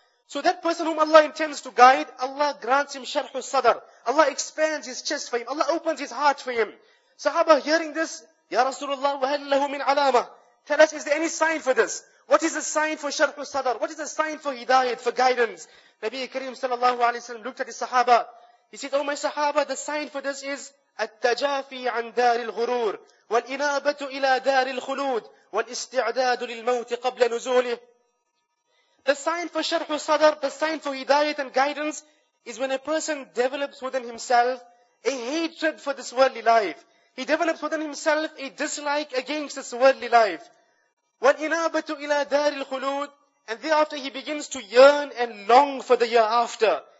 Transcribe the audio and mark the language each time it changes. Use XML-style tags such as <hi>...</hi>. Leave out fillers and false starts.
<en>So that person whom Allah intends to guide, Allah grants him sharhu sadr. Allah expands his chest for him. Allah opens his heart for him. Sahaba hearing this,</en> <ar>Ya Rasulullah, wa hal lahu min alama.</ar> <en>Tell us, is there any sign for this? What is the sign for sharhu sadr? What is the sign for hidayat, for guidance? Nabi Kareem sallallahu alayhi wa sallam looked at his Sahaba. He said, oh my Sahaba, the sign for this is,</en> <ar>التجافي عن دار الغرور والإنابة إلى دار الخلود والاستعداد للموت قبل نزوله.</ar> <en>The sign for sharhu sadr, the sign for hidayat and guidance, is when a person develops within himself a hatred for this worldly life. He develops within himself a dislike against this worldly life.</en> <ar>وَالْإِنَابَةُ إِلَىٰ دَارِ الْخُلُودِ.</ar> <en>And thereafter he begins to yearn and long for the year after.</en>